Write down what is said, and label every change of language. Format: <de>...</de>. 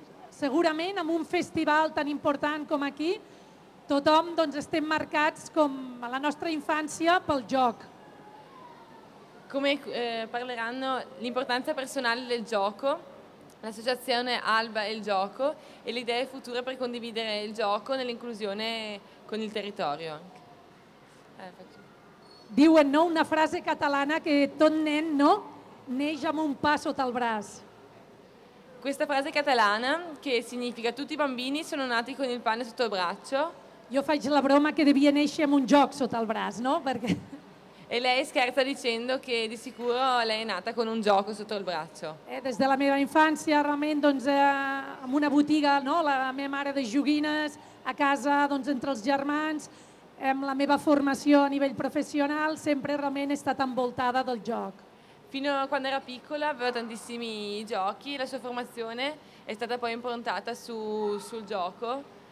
<ca>Segurament en un festival tan important com aquí, tothom doncs, estem marcats com a la nostra infància pel joc.</ca> <it>Come parleranno l'importanza personale del gioco, l'associazione Alba e il gioco e le idee future per condividere il gioco nell'inclusione con il territorio.</it> <ca>Diuen, no?, una frase catalana que tot nen, no?, neix amb un pa sota el braç.</ca> <it>Questa frase catalana che significa tutti i bambini sono nati con il pane sotto il braccio. Io faccio la broma che devia nascere con un gioco sotto il braccio, no? Perché... E lei scherza dicendo che di sicuro lei è nata con un gioco sotto il braccio.</it> <ca>Desde la mia infanzia, realmente, doncs, amb una botiga, no? La mia mare de joguines, a casa, doncs, entre els germans, amb la meva formació a nivell professional, sempre realment he estat envoltada del joc.</ca> <it>Fino a quando era piccola aveva tantissimi giochi, la sua formazione è stata poi improntata sul gioco.</it>